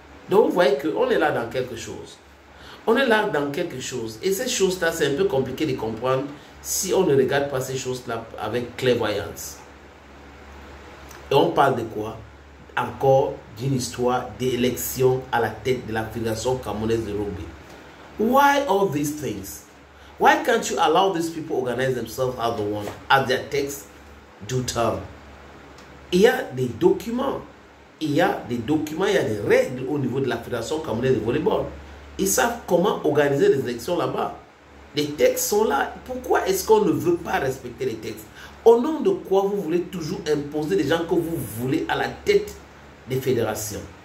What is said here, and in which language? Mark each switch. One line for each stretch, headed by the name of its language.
French: Donc vous voyez qu'on est là dans quelque chose. On est là dans quelque chose. Et ces choses-là, c'est un peu compliqué de comprendre si on ne regarde pas ces choses-là avec clairvoyance. Et on parle de quoi? Encore d'une histoire d'élection à la tête de la Fédération camerounaise de rugby.
English: Why all these things? Why can't you allow these people organize themselves as the one, as their text do term?
French: Il y a des documents. Il y a des règles au niveau de la Fédération camerounaise de volleyball. Ils savent comment organiser les élections là-bas. Les textes sont là. Pourquoi est-ce qu'on ne veut pas respecter les textes? Au nom de quoi vous voulez toujours imposer des gens que vous voulez à la tête des fédérations?